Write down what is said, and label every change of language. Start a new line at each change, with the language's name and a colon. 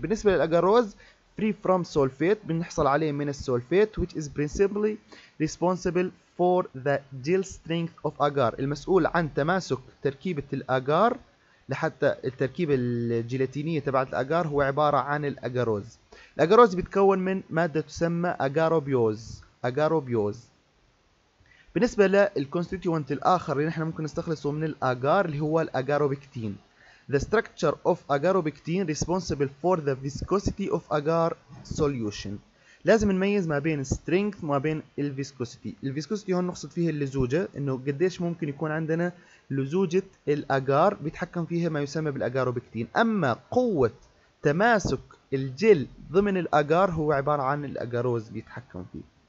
Arabic: بالنسبة للأجاروز free from sulfate، بنحصل عليه من السولفيت
English: which is principally responsible for the gel strength of agar،
Arabic: المسؤول عن تماسك تركيبة الأجار لحتى التركيبة الجيلاتينية تبعت الأجار هو عبارة عن الأجاروز. الأجاروز بيتكون من مادة تسمى أجاروبيوز. أجاروبيوز. بالنسبة للكونستيتيوانت الآخر اللي نحن ممكن نستخلصه من الأجار اللي هو الأجاروبكتين.
English: The structure of agarobictin responsible for the viscosity of agar solution.
Arabic: لازم نميز ما بين strength وما بين الفيسكوسيتي. الفيسكوسيتي هون نقصد فيها اللزوجة، انه قديش ممكن يكون عندنا لزوجة الأجار، بيتحكم فيها ما يسمى بالأجاروبكتين. اما قوة تماسك الجل ضمن الأجار هو عبارة عن الأجاروز بيتحكم فيه.